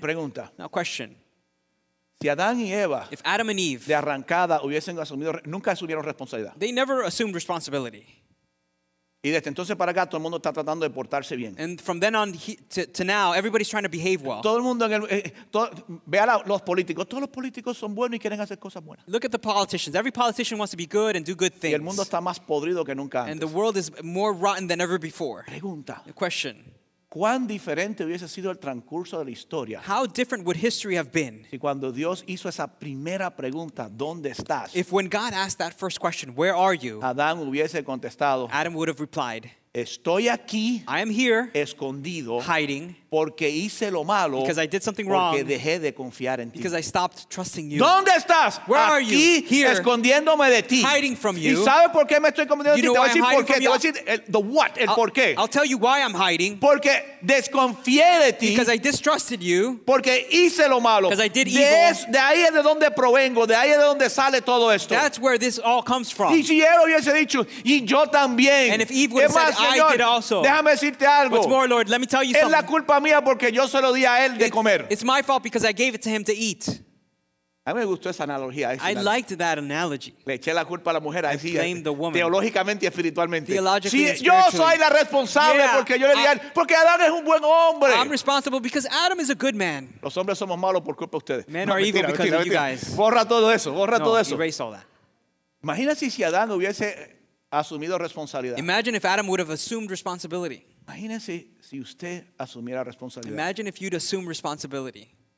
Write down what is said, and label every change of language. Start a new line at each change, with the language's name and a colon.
Spanish: Pregunta.
English: Now question.
Spanish: Si Adán y Eva,
English: if Adam and Eve,
Spanish: de arrancada hubiesen asumido, nunca asumieron responsabilidad.
English: They never assumed responsibility.
Spanish: Y desde entonces para acá todo el mundo está tratando de portarse bien.
English: And from then on to now, everybody's trying to behave well.
Spanish: Todo el mundo en el, vea los políticos, todos los políticos son buenos y quieren hacer cosas buenas.
English: Look at the politicians. Every politician wants to be good and do good things.
Spanish: Y el mundo está más podrido que nunca antes.
English: And the world is more rotten than ever before.
Spanish: Pregunta.
English: A question.
Spanish: ¿Cuán diferente hubiese sido el transcurso de la historia?
English: How different would history have been?
Spanish: Si cuando Dios hizo esa primera pregunta, ¿dónde estás?
English: If when God asked that first question, where are you?
Spanish: Adán hubiese contestado.
English: Adam would have replied.
Spanish: Estoy aquí.
English: I am here.
Spanish: Escondido.
English: Hiding.
Spanish: Porque hice lo malo.
English: Because I did something wrong.
Spanish: Porque dejé de confiar en ti.
English: Because I stopped trusting you.
Spanish: ¿Dónde estás?
English: Where
Spanish: aquí
English: are you? Here.
Spanish: Escondiéndome de ti.
English: Hiding from you.
Spanish: ¿Y sabes por qué me estoy escondiendo de ti?
English: You know
Spanish: te voy a decir por qué. Te voy a decir
English: the what,
Spanish: el por qué.
English: I'll tell you why I'm hiding.
Spanish: Porque desconfié de ti.
English: Because I distrusted you.
Spanish: Porque hice lo malo.
English: Because I did
Spanish: de
English: evil.
Spanish: De ahí es de donde provengo. De ahí es de donde sale todo esto.
English: That's where this all comes from.
Spanish: Y si él hubiese dicho, y yo también.
English: And if Eve would have said,
Spanish: Señor,
English: I did also.
Spanish: Déjame decirte algo.
English: What's more, Lord? Let me tell you something.
Spanish: Es la culpa mía porque yo se lo di a él de comer.
English: It's my fault because I gave it to him to eat.
Spanish: A mí me gustó esa analogía.
English: I liked that analogy.
Spanish: Le eché la culpa a la mujer.
English: I blamed the woman.
Spanish: Teológicamente y espiritualmente.
English: Theologically and spiritually.
Spanish: Si yo soy la responsable porque yo le di a él, porque Adán es un buen hombre.
English: I'm responsible because Adam is a good man.
Spanish: Los hombres somos malos por culpa de ustedes.
English: Men are evil because of you guys.
Spanish: Borra todo eso. Borra todo eso.
English: No, erase all that.
Spanish: Imagina si Adán hubiese asumido responsabilidad.
English: Imagine if Adam would have assumed responsibility.
Spanish: Imagínese si usted asumiera responsabilidad.
English: Imagine if you'd assume responsibility.